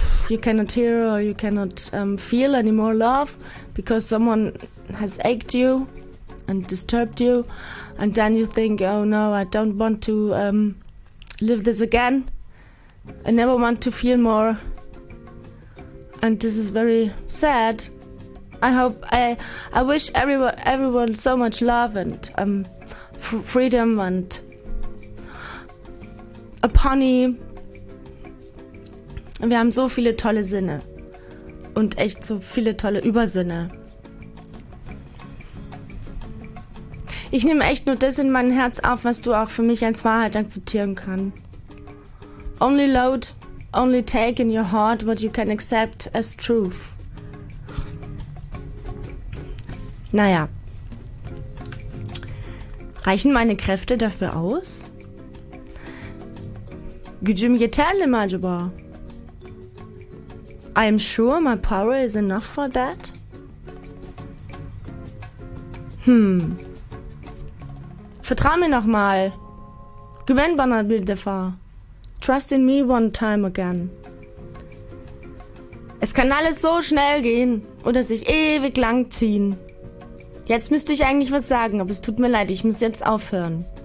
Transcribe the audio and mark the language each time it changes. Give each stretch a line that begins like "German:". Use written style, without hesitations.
English: you cannot hear or you cannot feel any more love because someone has ached you and disturbed you, and then you think, oh no, I don't want to live this again, I never want to feel more. And this is very sad. I wish everyone so much love and freedom and a pony.
German: Wir haben so viele tolle Sinne und echt so viele tolle Übersinne. Ich nehme echt nur das in mein Herz auf, was du auch für mich als Wahrheit akzeptieren kannst.
English: Only load, only take in your heart what you can accept as truth.
German: Naja. Reichen meine Kräfte dafür aus?
Turkish: Gücüm yeterli mi acaba?
English: I'm sure my power is enough for that.
German: Vertrau mir nochmal.
Turkish: Gewinn bana bir defa.
English: Trust in me one time again.
German: Es kann alles so schnell gehen oder sich ewig lang ziehen. Jetzt müsste ich eigentlich was sagen, aber es tut mir leid, ich muss jetzt aufhören.